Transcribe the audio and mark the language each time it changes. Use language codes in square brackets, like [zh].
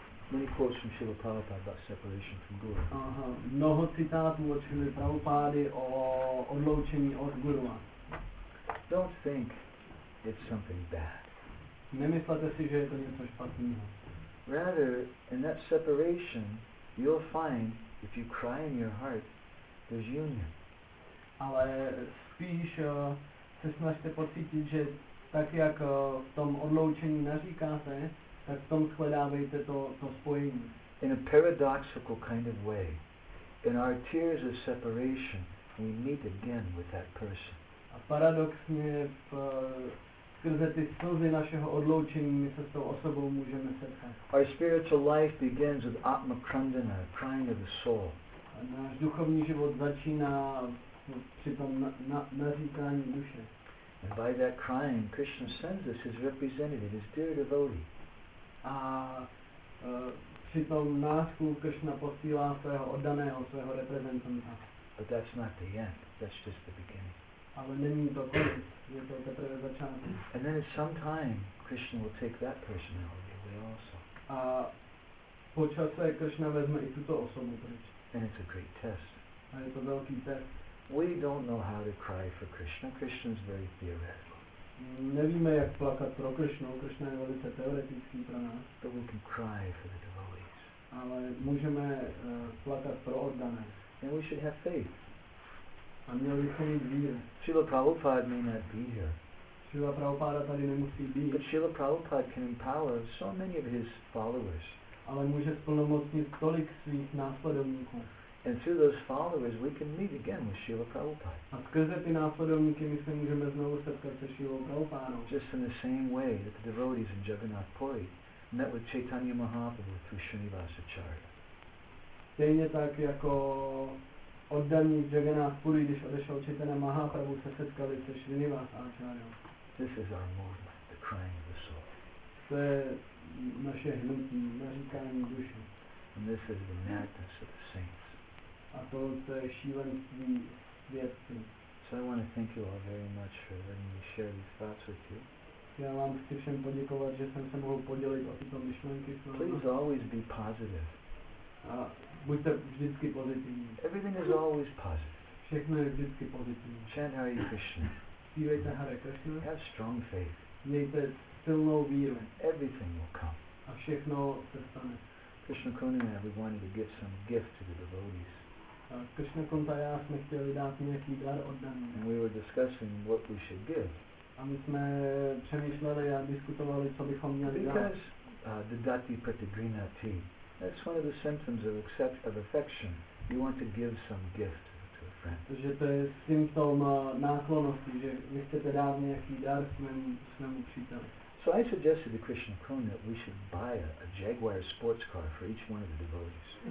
[en] Many quotes from Srila Prabhupada about separation from Guru. [cs] Mnoho citátů od Srila Prabhupády o odloučení od Guruva. [en] Don't think it's something bad. [cs] Nemyslete si, že je to něco špatného. [en] Rather, in that separation, you'll find, if you cry in your heart, there's union. [cs] Ale spíš se snažte pocítit, že tak jak v tom odloučení naříkáte, tak v tom shledávejte to spojení. [en] In a paradoxical kind of way, in our tears of separation, we meet again with that person. [cs] A paradoxně, skrze ty slzy našeho odloučení, my se s tou osobou můžeme setkat. [en] Our spiritual life begins with Atma Krandana, crying of the soul. [cs] A náš duchovní život začíná při tom naříkání duše. [en] And by that crying, Krishna sends us his representative, his dear devotee. [cs] A při tom násku Krishna posílá svého oddaného, svého reprezentanta. [en] But that's not the end, that's just the beginning. [cs] Ale není to konec, je to teprve začátek. [en] And then at some time, Krishna will take that personality away also. [cs] A po čase Krishna vezme i tuto osobu pryč. [en] And it's a great test. [cs] A je to velký test. [en] We don't know how to cry for Krishna. Krishna's very theoretical. [cs] Nevíme, jak plakat pro Krishnu. Krishna je velice teoretický pro nás. [en] But we can cry for the devotees. [cs] Ale můžeme plakat pro oddané. [en] And we should have faith. [cs] A měli bychom mít víru. [en] Srila Prabhupada may not be here. [cs] Srila Prabhupada tady nemusí být. [en] But Srila Prabhupada can empower so many of his followers. [cs] Ale může splnomocnit tolik svých následovníků. [en] And through those followers, we can meet again with Srila Prabhupada. [cs] A skrze ty následovníky my se můžeme znovu setkat se Srilou Prabhupádou. [en] Just in the same way that the devotees in Jagannath Puri met with Chaitanya Mahaprabhu through Srinivasacharya. [cs] Stejně tak jako oddaní v Jagannath Puri, když odešel Chaitanya Mahaprabhu, se setkali se Srinivasacharyou. [en] This is our movement, the crying of the soul. [cs] To je naše hnutí, naříkání duše. [en] And this is the madness of the saints. [cs] A to je šílenství věcí. [en] So I want to thank you all very much for letting me share these thoughts with you. [cs] Já vám chci všem poděkovat, že jsem se mohl podělit o tyto myšlenky. [en] Please always be positive. [cs] Buďte vždycky pozitivní. [en] Everything is always positive. [cs] Všechno je vždycky pozitivní. [en] Chant Hare Krishna. [cs] Zpívejte Hare Krishna. [en] Have strong faith. [cs] Mějte silnou víru. [en] Everything will come. [cs] A všechno se stane. [en] Krishna Kunta, we wanted to give some gift to the devotees. [cs] Krishna Kunta, já jsme chtěli dát nějaký dar oddaný. [en] And we were discussing what we should give. [cs] A my jsme přemýšleli a diskutovali, co bychom měli dát. [en] Because the dati pratigrina ti, that's one of the symptoms of affection. You want to give some gift to a friend. [cs] Protože to je symptom náklonosti, že vy chcete dát nějaký dar svému příteli. [en] So I suggested to Krishna Kunta that we should buy a Jaguar sports car for each one of the devotees.